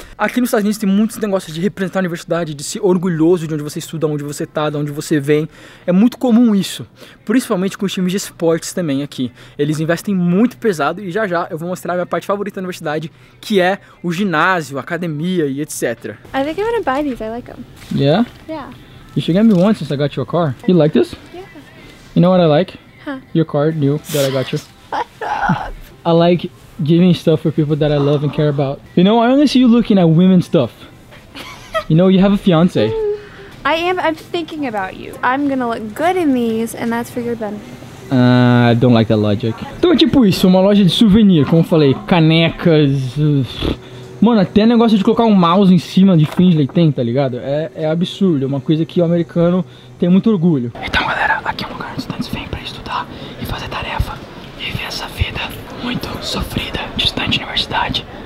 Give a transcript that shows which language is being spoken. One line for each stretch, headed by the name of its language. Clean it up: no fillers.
Portuguese: Aqui nos Estados Unidos tem muitos negócios de representar a universidade, de ser orgulhoso de onde você estuda, onde você tá, de onde você vem. É muito comum isso, principalmente com os times de esportes também aqui. Eles investem muito pesado e já eu vou mostrar a minha parte favorita da universidade, que é o ginásio, a academia e etc.
English: I think I'm gonna buy these, I like them. Yeah? Yeah. You should get me one since I got you a car. You like this? Yeah. You know what I like? Huh? Your car, new, that I got you. Shut up. I like giving stuff for people that I love and care about. You know, I only see you looking at women's stuff. You know, you have a fiance. I am, I'm thinking about you. I'm gonna look good in these and that's for your benefit. I don't like that logic.
Portuguese: Então é tipo isso, uma loja de souvenir, como eu falei, canecas... Mano, até negócio de colocar um mouse em cima de Findlay tem, tá ligado? É absurdo, é uma coisa que o americano tem muito orgulho. Então, galera, aqui é um lugar onde os estudantes vêm pra estudar e fazer tarefa e viver essa vida muito sofrida de estudante de universidade.